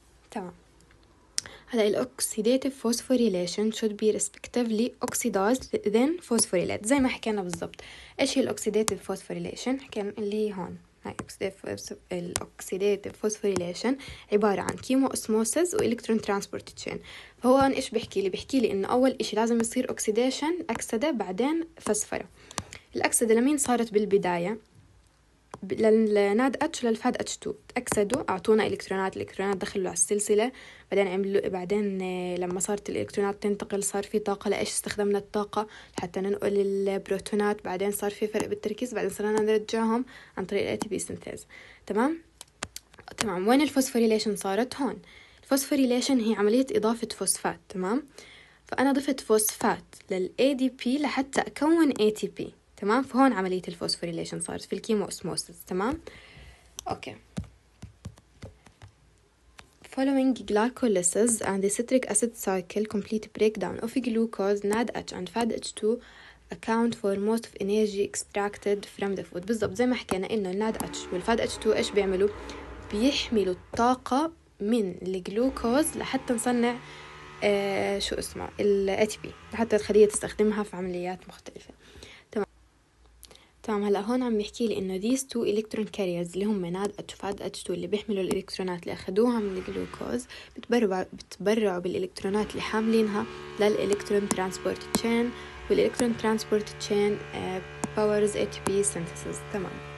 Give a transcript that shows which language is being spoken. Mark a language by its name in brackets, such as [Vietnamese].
[Arabic] تمام، هلا الـ [English] oxidative phosphorylation should be respectively oxidized then phosphorylated، [Arabic] زي ما حكينا بالضبط. ايش هي الـ oxidative phosphorylation؟ حكينا اللي هون الأكسيداتيف فوسفوريليشن عبارة عن كيمو أسموسز وإلكترون ترانسبورت تشين. فهو هون إيش بيحكي لي؟ بيحكي لي إنه أول إشي لازم يصير أكسيداشن، أكسدة، بعدين فسفرة. الأكسدة لمين صارت بالبداية؟ للناد أتش للفاد أتش تو، أكسدوا أعطونا إلكترونات، الإلكترونات دخلوا على السلسلة، بعدين عملوا، بعدين لما صارت الإلكترونات تنتقل صار في طاقة. لإيش استخدمنا الطاقة؟ حتى ننقل البروتونات، بعدين صار في فرق بالتركيز، بعدين صرنا نرجعهم عن طريق الـ ATP synthase، تمام؟ تمام. وين الفوسفوريليشن صارت؟ هون. الفوسفوريليشن هي عملية إضافة فوسفات، تمام؟ فأنا ضفت فوسفات للـ ADP لحتى أكون ATP، تمام؟ فهون عملية الفوسفوريليشن صارت في الكيمو أسموسز، تمام؟ أوكي. [English] Following glycolysis and the citric acid cycle, complete breakdown of glucose, NADH and FADH2 account for most of energy extracted from the food. [Arabic] بالضبط زي ما حكينا إنه NADH والFADH2 إيش بيعملوا؟ بيحملوا الطاقة من الجلوكوز لحتى نصنع شو اسمه الـ ATP، لحتى الخلية تستخدمها في عمليات مختلفة. تمام. هلا هون عم يحكي لي انه [English] these two electron carriers [Arabic] اللي هم NADH FADH2 اللي بيحملوا الالكترونات اللي اخذوها من الجلوكوز بتبرعوا بالالكترونات اللي حاملينها للالكترون ترانسبورت تشين، والالكترون ترانسبورت تشين [English] powers ATP synthesis. [Arabic] تمام.